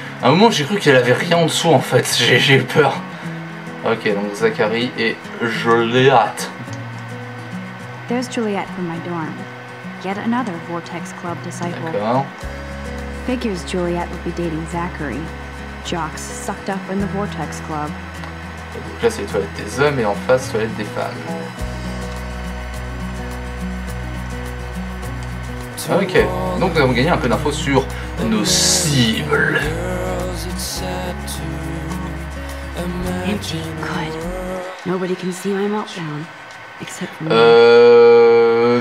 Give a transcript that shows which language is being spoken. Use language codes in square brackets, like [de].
[fr] À un moment j'ai cru qu'elle avait rien en dessous en fait, j'ai eu peur. Ok, donc Zachary et Juliet. [en] There's Juliet from my dorm. Yet another Vortex Club disciple. [fr] D'accord. [en] Figures Juliet would be dating Zachary. Jocks sucked up in the Vortex Club. [fr] Donc là c'est les toilettes des hommes et en face toilettes des femmes. Ok, donc nous avons gagné un peu d'infos sur nos cibles. [en] Nobody can see my meltdown except me.